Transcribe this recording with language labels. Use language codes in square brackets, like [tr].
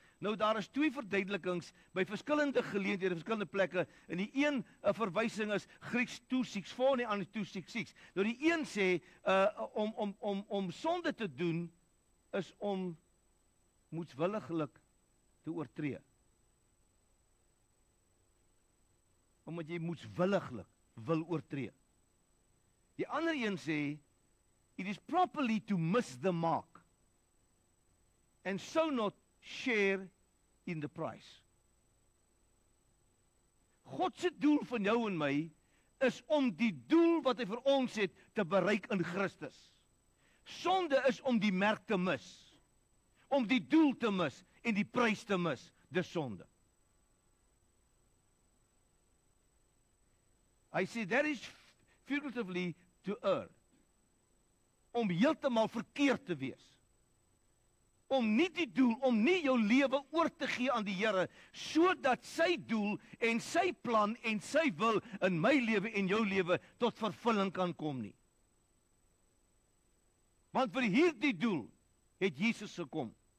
[af] Nou, daar is twee verduidelikings by verskillende geleenthede, verskillende plekke, en die een verwysing is Grieks toesieks, voor nie aan die toesieks. Nou, die een sê, om sonde te doen, is om moedswilliglik te oortree. Omdat jy moedswilliglik wil oortree. [en] Die ander een sê, it is properly to miss the mark, and so not share in the price. [af] God se doel van jou en my, is om die doel wat hy vir ons het, te bereik in Christus. Sonde is om die merk te mis, om die doel te mis, en die prys te mis, dis sonde. [en] I say that is figuratively to err. [af] Om heeltemal verkeerd te wees. Om nie die doel, om nie jou lewe oor te gee aan die Here, sodat sy doel en sy plan en sy wil in my lewe en jou lewe tot vervulling kan kom nie. Want vir hierdie doel het Jesus gekom.